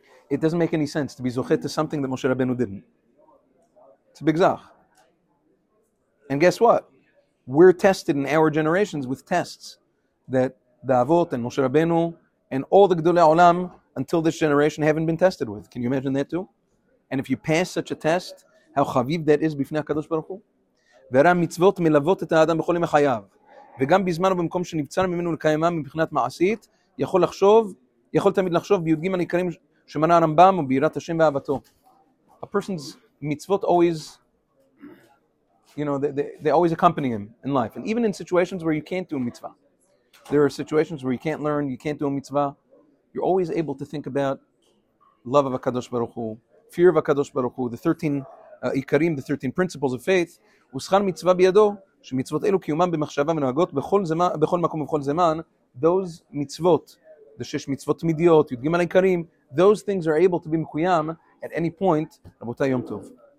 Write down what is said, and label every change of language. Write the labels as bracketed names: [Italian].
[English] It doesn't make any sense to be zocheh to something that Moshe Rabbeinu didn't. It's a big zach. And guess what? We're tested in our generations with tests that the Avot and Moshe Rabbeinu and all the Gedolei Olam until this generation haven't been tested with. Can you imagine that too? And if you pass such a test, how chaviv that is b'fnei HaKadosh Baruch Hu? [Hebrew] והרי המצוות מלוות את האדם בכל ימי חייו, וגם בזמן ובמקום שנבצר ממנו לקיימה מבחינת מעשית, יכול תמיד לחשוב ביהוד ג' עיקרים שמנה הרמב״ם או ביראת השם ואהבתו. [English] A person's מצוות always, you know, they always accompany him in life. And even in situations where you can't do a mitzvah, there are situations where you can't learn, you can't do a mitzvah, you're always able to think about love of הקדוש ברוך הוא, fear of הקדוש ברוך הוא, the 13 עיקרים, the 13 principles of faith, [Hebrew] ושכן מצווה בידו, שמצוות אלו קיומם במחשבה ונוהגות בכל זמן, בכל מקום ובכל זמן, [English] those מצוות, [Hebrew] זה שיש מצוות תמידיות, יודגים על העיקרים, [English] those things are able to be מקוים at any point, [Hebrew] רבותיי יום טוב.